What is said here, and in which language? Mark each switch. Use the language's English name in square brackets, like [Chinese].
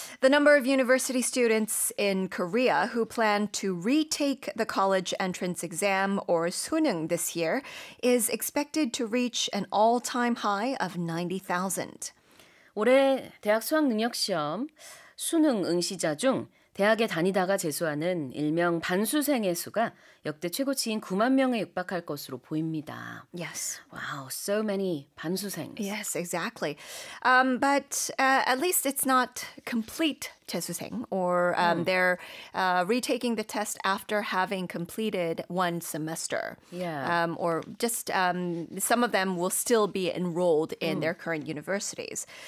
[English] The number of university students in Korea who plan to retake the college entrance exam or 수능 this year is expected to reach an all-time high of 90,000. [Korean] 올해 대학 수학 능력 시험 수능 응시자 중 대학에 다니다가 재수하는 일명 반수생의 수가 역대 최고치인 9만 명에 육박할 것으로 보입니다. [English] Yes. Wow, so many 반수생. Yes, exactly. But at least it's not complete 재수생 or they're retaking the test after having completed one semester. Yeah. Or just some of them will still be enrolled in their current universities.